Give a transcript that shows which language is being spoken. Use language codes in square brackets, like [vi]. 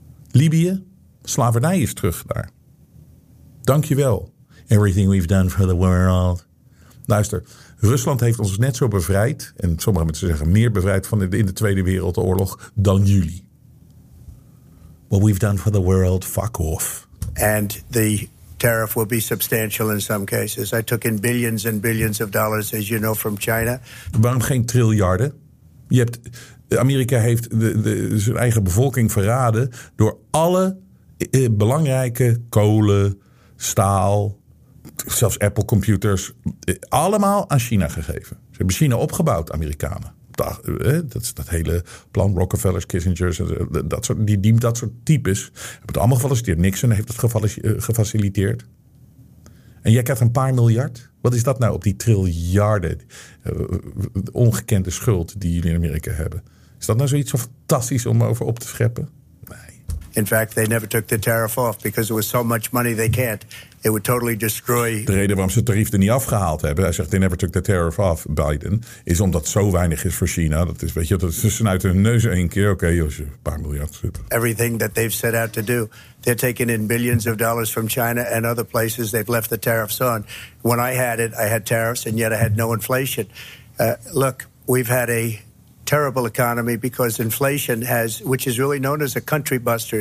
[nl] Libië? Slavernij is terug daar. Dankjewel. [en] Everything we've done for the world. [nl] Luister, Rusland heeft ons net zo bevrijd, en sommige mensen zeggen meer bevrijd van in de Tweede Wereldoorlog dan jullie. [en] What we've done for the world, fuck off. And the tariff will be substantial in some cases. I took in billions and billions of dollars, as you know, from China. [nl] Waarom geen triljarden? Amerika heeft zijn eigen bevolking verraden door alle belangrijke kolen, staal, zelfs Apple computers, allemaal aan China gegeven. Ze hebben China opgebouwd, Amerikanen. Dat is dat hele plan, Rockefellers, Kissingers, dat soort types. Hebben het allemaal gefaciliteerd. Nixon heeft het gefaciliteerd. En jij krijgt een paar miljard. Wat is dat nou op die triljarden, ongekende schuld die jullie in Amerika hebben? Is dat nou zoiets zo fantastisch om over op te scheppen? [en] In fact, they never took the tariff off because it was so much money they can't. It would totally destroy. [nl] De reden waarom ze het tarief er niet afgehaald hebben, hij zegt they never took the tariff off, Biden, is omdat zo weinig is voor China. Dat is, weet je, dat ze snuiten hun neus één keer. Oké, als je een paar miljard. [en] Everything that they've set out to do, they're taking in billions of dollars from China and other places. They've left the tariffs on. When I had it, I had tariffs and yet I had no inflation. Look, we've had a terrible economy because inflation has, which is really known as a country buster.